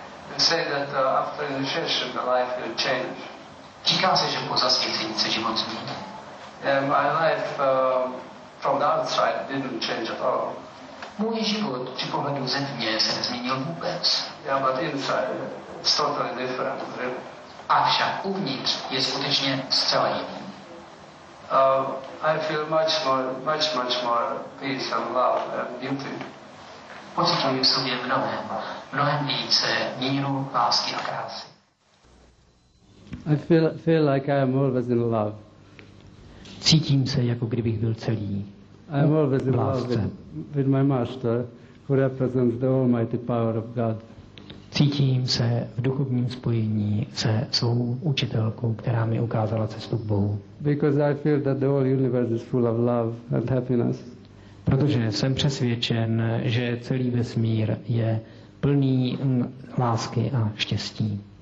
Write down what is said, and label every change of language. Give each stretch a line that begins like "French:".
English: They say that after initiation the life will change.
Czech: Říká se, že po zasvěcení se život změní.
English: My life from the outside didn't change at all.
Czech: Můj život při pohledu ze dně se nezměnil vůbec.
English: Yeah, but inside it's totally different, really.
Czech: Avšak uvnitř je skutečně zcela jiný.
English: I feel much more, much more peace and love and beauty.
Czech: Pocituji v sobě mnohem, více míru, lásky a krásy.
English: I feel like I am always in love.
Czech: Cítím se, jako kdybych byl celý.
English: I am always in love with my master, who represents the almighty power of God.
Czech: Cítím se v duchovním spojení se svou učitelkou, která mi ukázala cestu k Bohu.
English: Because I feel that the whole universe is full of love and happiness.
Czech: Protože jsem přesvědčen, že celý vesmír je plný lásky a štěstí.